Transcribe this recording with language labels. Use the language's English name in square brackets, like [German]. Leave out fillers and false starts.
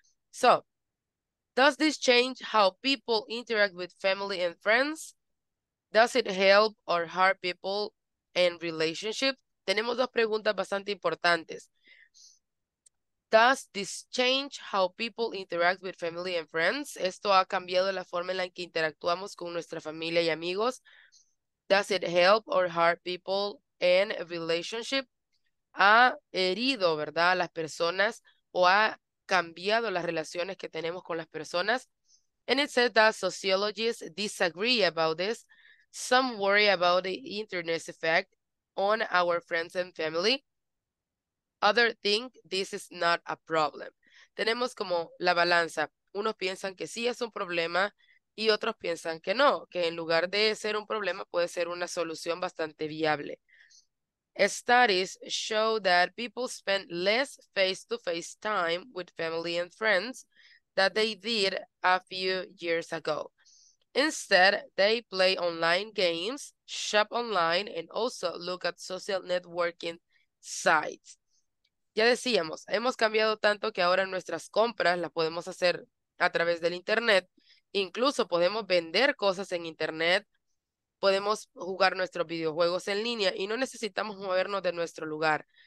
[English] So, does this change how people interact with family and friends? Does it help or hurt people in relationships? [Spanish] Tenemos dos preguntas bastante importantes. [English] Does this change how people interact with family and friends? [Spanish] ¿Esto ha cambiado la forma en la que interactuamos con nuestra familia y amigos? [English] Does it help or hurt people in a relationship? [Spanish] ¿Ha herido, verdad, las personas, o ha cambiado las relaciones que tenemos con las personas? [English] And it says that sociologists disagree about this. Some worry about the internet's effect on our friends and family. Other think this is not a problem. [Spanish] Tenemos como la balanza. Unos piensan que sí es un problema y otros piensan que no, que en lugar de ser un problema puede ser una solución bastante viable. [English] Studies show that people spend less face-to-face time with family and friends than they did a few years ago. Instead, they play online games, shop online, and also look at social networking sites. [Spanish] Ya decíamos, hemos cambiado tanto que ahora nuestras compras las podemos hacer a través del internet. Incluso podemos vender cosas en internet, podemos jugar nuestros videojuegos en línea y no necesitamos movernos de nuestro lugar.